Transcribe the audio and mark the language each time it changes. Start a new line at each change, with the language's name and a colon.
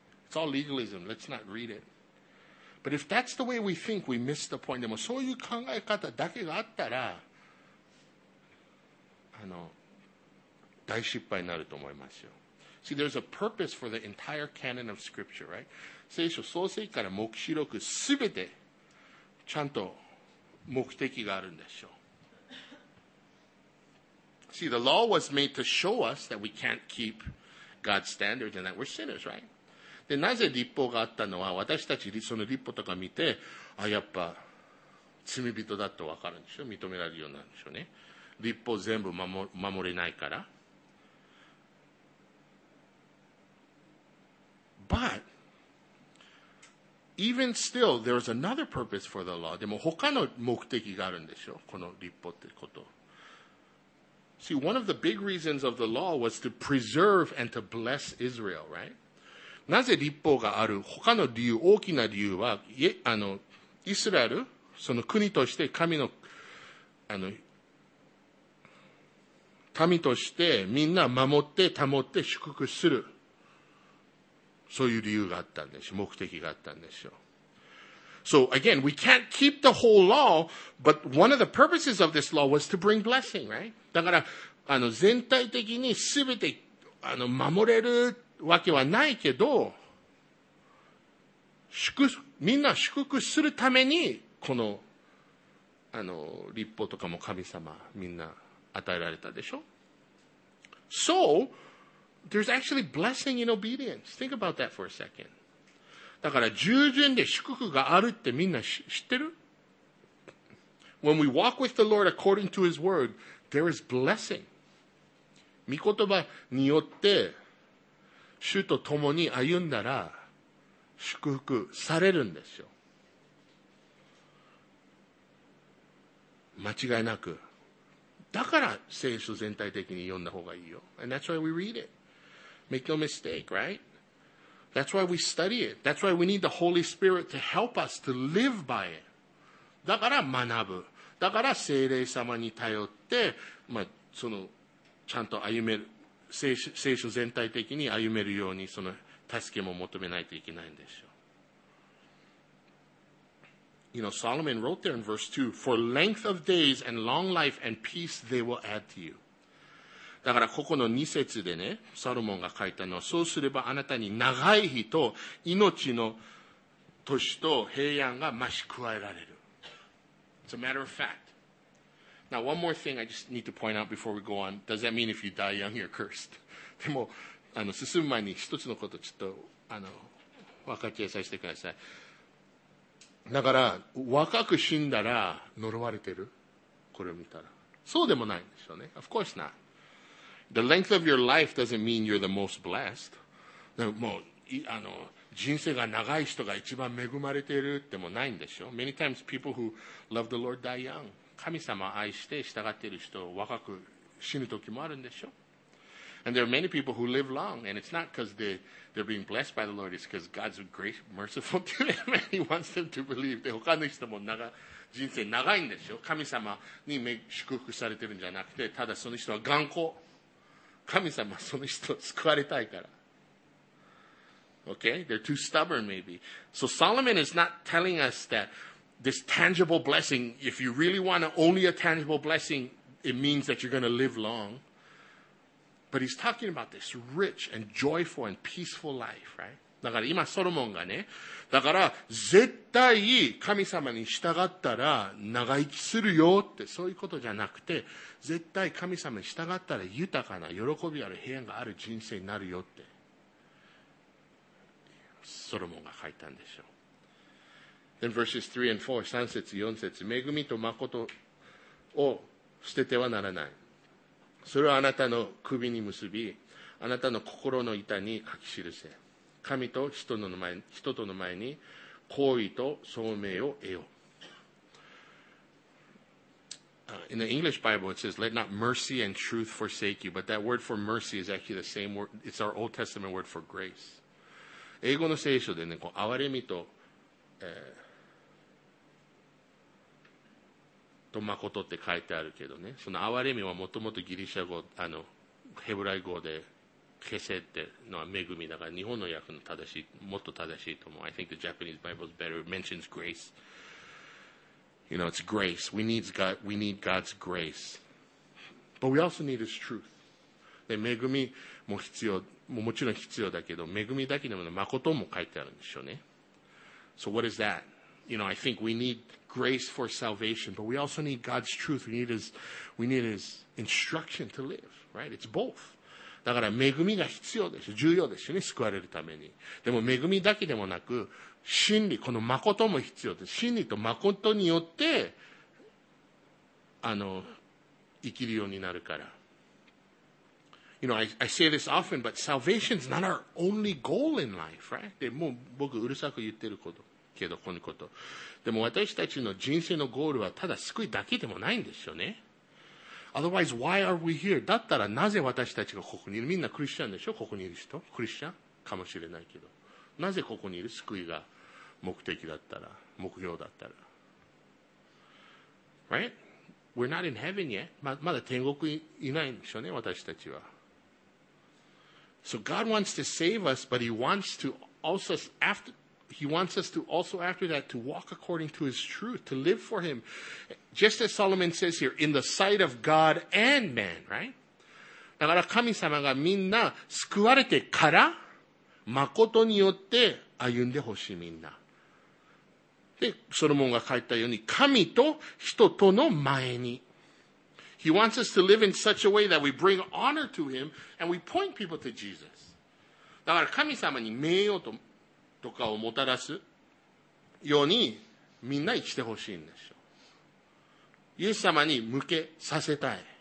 English: It's all legalism. Let's not read it. But if that's the way we think, we miss the point.
Japanese: でもそういう考え方だけがあったら、大失敗になると思いますよ。
English: See, there's a purpose for the entire canon of scripture, right?
Japanese: 聖書創世記から黙示録すべてちゃんと目的があるんでしょう。
English: See, the law was made to show us that we can't keep God's standards and that we're sinners, right?
Japanese: で、なぜ律法があったのは、私たちその律法とか見て、あ、やっぱ罪人だと分かるんでしょう。認められるようになるんでしょうね。律法全部守れないから。
English: But even still, there is another purpose for the law.
Japanese: でも他の目的があるんでしょう、この律法ってこと。
English: See, one of the big reasons of the law was to preserve and to bless Israel, right?
Japanese: なぜ律法がある？他の理由、大きな理由は、イスラエル、その国として神の、民としてみんな守って保って祝福する。そういう理由があったんでしょう。目的があったんでしょう。
English: So again, we can't keep the whole law, but one of the purposes of this law was to bring blessing, right?
Japanese: だから、全体的にすべて、守れるわけはないけど、みんな祝福するために、この、立法とかも神様、みんな与えられたでしょ。
English: So, there's actually blessing in obedience. Think about that for a second.
Japanese: だから、従順で祝福があるってみんな知ってる？
English: When we walk with the Lord according to His word, there is blessing.
Japanese: 御言葉によって、主と共に歩んだら、祝福されるんですよ。間違いなく。だから、聖書全体的に読んだ方がいいよ。
English: And that's why we read it. Make no mistake, right? That's why we study it. That's why we need the Holy Spirit to help us to live by it.
Japanese: だから学ぶ。だから聖霊様に頼って、まあ、ちゃんと歩める。聖書全体的に歩めるように、その助けも求めないといけないんでしょう。
English: You know, Solomon wrote there in verse 2, for length of days and long life and peace they will add to you.
Japanese: だからここの2節でね、サロモンが書いたのは、そうすればあなたに長い日と命の年と平安が増し加えられる。
English: It's a matter of fact. Now, one more thing I just need to point out before we go on. Does that mean if you die young, you're cursed?
Japanese: でも、進む前に一つのことちょっと、分かち合いさせてください。だから、若く死んだら呪われてる。これを見たら。そうでもないんでしょうね。
English: Of course not. The length of your life doesn't mean you're the most blessed.
Japanese: もう、人生が長い人が一番恵まれているってもないんでしょう。
English: Many times people who love the Lord die young.
Japanese: 神様を愛して従っている人を若く死ぬ時もあるんでしょう。
English: And there are many people who live long, and it's not because they're being blessed by the Lord, it's because God's great, merciful to them, and He wants them to believe.
Japanese: で、他の人も長、人生長いんでしょ。神様に祝福されてるんじゃなくて、ただその人は頑固。神様、その人を救われたいから。
English: Okay? They're too stubborn, maybe. So Solomon is not telling us that this tangible blessing, if you really want only a tangible blessing, it means that you're going to live long. But he's talking about this rich and joyful and peaceful life, right?
Japanese: だから今ソロモンがね、だから絶対神様に従ったら長生きするよってそういうことじゃなくて、絶対神様に従ったら豊かな喜びある平安がある人生になるよってソロモンが書いたんでしょう。
English: In verses 3 and 4,
Japanese: 3節4節、恵みと誠を捨ててはならない。それはあなたの首に結び、あなたの心の板に書き記せ。神と人との前、人との前に好意と聡明を得よ。
English: In the English Bible it says, let not mercy and truth forsake you. But that word for mercy is actually the same word. It's our Old Testament word for grace.
Japanese: 英語の聖書でね、こう憐れみと、と誠って書いてあるけどね、その憐れみはもともとギリシャ語、ヘブライ語で、ケセってのは恵みだから、日本の訳の正しい、もっと正しいと思う。
English: I think the Japanese Bible is better, mentions grace. You know, it's grace. We need God's grace. But we also need His truth.
Japanese: で、恵みも必要、もちろん必要だけど、恵みだけでも誠も書いてあるんでしょうね。
English: So what is that? You know, I think we need grace for salvation, but we also need God's truth. We need His instruction to live, right? It's both.
Japanese: だから恵みが必要でしょ。重要でしょね。救われるために。でも恵みだけでもなく、真理、この誠も必要です。真理と誠によって、生きるようになるから。
English: You know, I say this often, but salvation's not our only goal in life, right?
Japanese: で、もう僕うるさく言ってること。けどこのこと。でも私たちの人生のゴールはただ救いだけでもないんですよね。
English: Otherwise, why are we here?
Japanese: だったらなぜ私たちがここにいる？みんなクリスチャンでしょ？ここにいる人？クリスチャンかもしれないけど。なぜここにいる？救いが目的だったら、目標だったら。
English: Right? We're not in heaven yet.
Japanese: まだ天国いないんでしょうね、私たちは。
English: So God wants to save us, but He wants to also after... He wants us to also after that to walk according to His truth, to live for Him. Just as Solomon says here, in the sight of God and man, right?
Japanese: だから神様がみんな救われてから、誠によって歩んでほしいみんな。で、ソロモンが書いたように、神と人との前に。
English: He wants us to live in such a way that we bring honor to Him and we point people to Jesus.
Japanese: だから神様に名誉と、とかをもたらすようにみんな生きてほしいんでしょう。イエス様に向けさせたい。